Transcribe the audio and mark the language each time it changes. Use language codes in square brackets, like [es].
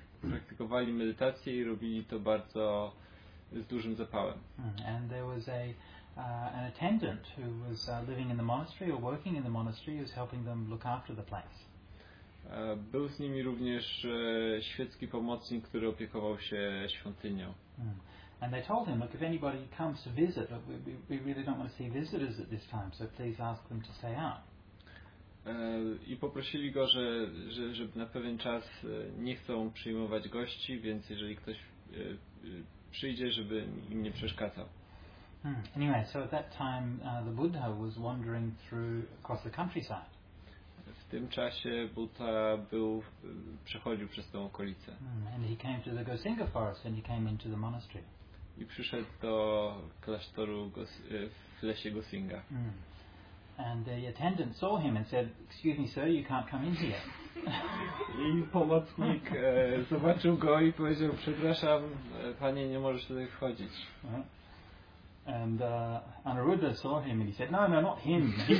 [pl] Praktykowali medytację i robili to bardzo z dużym zapałem. [en] And there was an attendant who was living in the monastery or working in the monastery who was helping them look after the place. [pl] Był z nimi również świecki pomocnik, który opiekował się świątynią. [en] And they told him, look, if anybody comes to visit, we really don't want to see visitors at this time, so please ask them to stay out. [pl] I poprosili go, że na pewien czas nie chcą przyjmować gości, więc jeżeli ktoś przyjdzie, żeby im nie przeszkadzał. [en] Anyway, so at that time the Buddha was wandering through across the countryside. [pl] W tym czasie Buddha był przechodził przez tą okolicę. [en] And he came to the Gosinga forest and he came into the monastery. [pl] I przyszedł do klasztoru w lesie Gosinga. [en] And the attendant saw him and said, "Excuse me, sir, you can't come in here." [pl] I pomocnik zobaczył go i powiedział, "Przepraszam, panie, nie możesz tutaj wchodzić." [en] And Anuruddha saw him and he said, "No, no, not him.